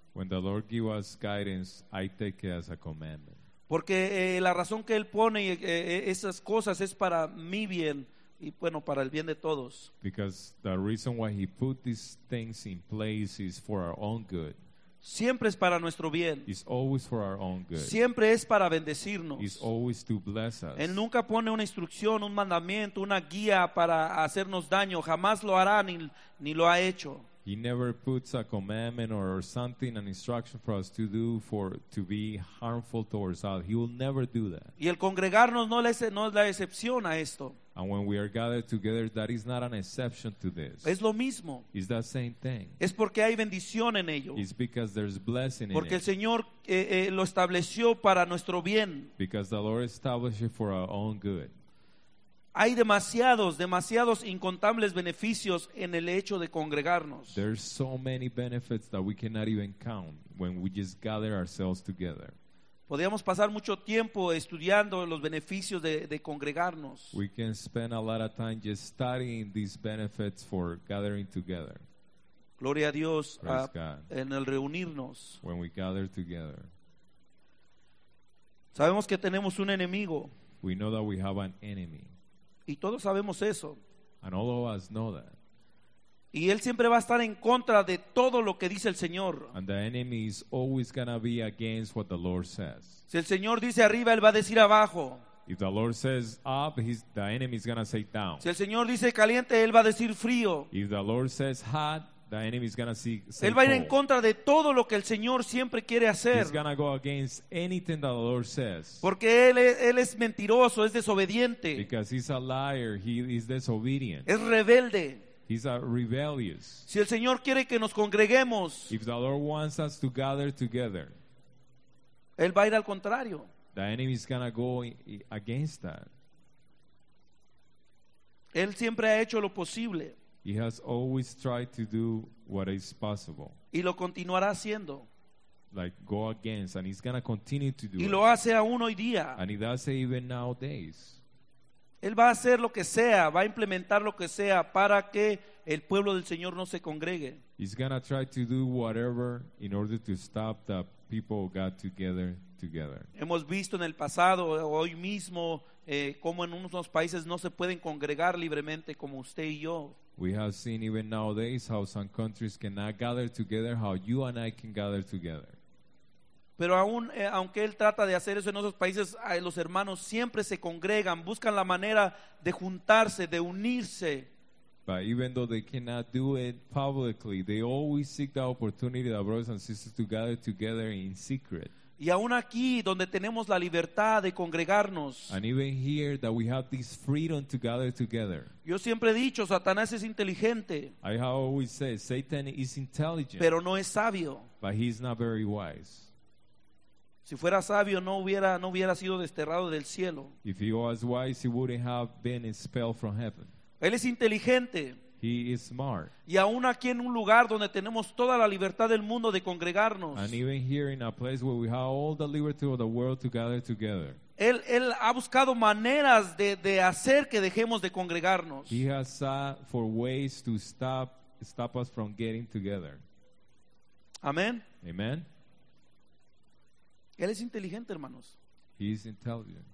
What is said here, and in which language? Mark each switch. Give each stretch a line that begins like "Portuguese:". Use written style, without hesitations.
English: When the Lord gives us guidance, I take it as a commandment.
Spanish: Porque la razón que él pone esas cosas es para mi bien y bueno, para el bien de todos.
English: Because the reason why he put these things in place is for our own good.
Spanish: Siempre es para nuestro bien.
English: It's always for our own good.
Spanish: Siempre es para bendecirnos.
English: It's always to bless us.
Spanish: Él nunca pone una instrucción, un mandamiento, una guía para hacernos daño. Jamás lo hará ni lo ha hecho.
English: He never puts a commandment or something, an instruction for us to do to be harmful towards us. He will never do that.
Spanish: Y el congregarnos no es la excepción a esto.
English: And when we are gathered together, that is not an exception to this.
Spanish: Es lo mismo.
English: It's the same thing.
Spanish: Es porque hay bendición en ello.
English: It's because there's blessing
Spanish: porque Porque el Señor lo estableció para nuestro bien.
English: Because the Lord established it for our own good.
Spanish: Hay demasiados incontables beneficios en el hecho de congregarnos.
English: There's so many benefits that we cannot even count when we just gather ourselves together.
Spanish: Podíamos pasar mucho tiempo estudiando los beneficios de congregarnos.
English: We can spend a lot of time just studying these benefits for gathering together.
Spanish: Gloria a Dios.
English: Praise God.
Spanish: En el reunirnos.
English: When we gather together.
Spanish: Sabemos que tenemos un enemigo.
English: We know that we have an enemy.
Spanish: Y todos sabemos eso.
English: And all of us know that.
Spanish: Y él siempre va a estar en contra de todo lo que dice el Señor.
English: And the enemy is always going to be against what the Lord says.
Spanish: Si el Señor dice arriba, él va a decir abajo.
English: If the Lord says up, the enemy is going to say down.
Spanish: Si el Señor dice caliente, él va a decir frío.
English: If the Lord says hot, the enemy is going to say cold.
Spanish: Él va a ir en contra de todo lo que el Señor siempre quiere hacer.
English: He's going to go against anything that the Lord says.
Spanish: Porque él es mentiroso, es desobediente.
English: Because he's a liar, he is disobedient.
Spanish: Es rebelde.
English: He's a rebellious.
Spanish: Si el Señor quiere que nos congreguemos,
English: if the Lord wants us to gather together,
Spanish: él va a ir al contrario.
English: The enemy is going to go against that.
Spanish: Él siempre ha hecho lo posible.
English: He has always tried to do what is possible.
Spanish: Y lo continuará haciendo.
English: Like go against, and he's going to continue to do
Spanish: it. Y lo hace aún hoy día.
English: And he does it even nowadays.
Spanish: Él va a hacer lo que sea, va a implementar lo que sea para que el pueblo del Señor no se congregue.
English: He's going to try to do whatever in order to stop the people of God together.
Spanish: Hemos visto en el pasado, hoy mismo, cómo en unos países no se pueden congregar libremente como usted y yo.
English: We have seen even nowadays how some countries cannot gather together, how you and I can gather together.
Spanish: Pero aún, aunque él trata de hacer eso en esos países, los hermanos siempre se congregan, buscan la manera de juntarse, de unirse.
English: But even though they cannot do it publicly, they always seek the opportunity, the brothers and sisters, to gather together in secret.
Spanish: Y aún aquí, donde tenemos la libertad de congregarnos.
English: And even here, that we have this freedom to gather together.
Spanish: Yo siempre he dicho, Satanás es inteligente.
English: I have always said, Satan is intelligent.
Spanish: Pero no es sabio.
English: But he's not very wise.
Spanish: Si fuera sabio, no hubiera sido desterrado del cielo.
English: If he was wise, he wouldn't have been expelled from heaven.
Spanish: Él es inteligente.
English: He is smart.
Spanish: Y aún aquí en un lugar donde tenemos toda la libertad del mundo de congregarnos.
English: And even here in a place where we have all the liberty of the world to gather together.
Spanish: Él ha buscado maneras de hacer que dejemos de congregarnos.
English: He has sought for ways to stop us from getting together.
Spanish: Amén.
English: Amen.
Spanish: Él es inteligente, hermanos.
English: He is intelligent.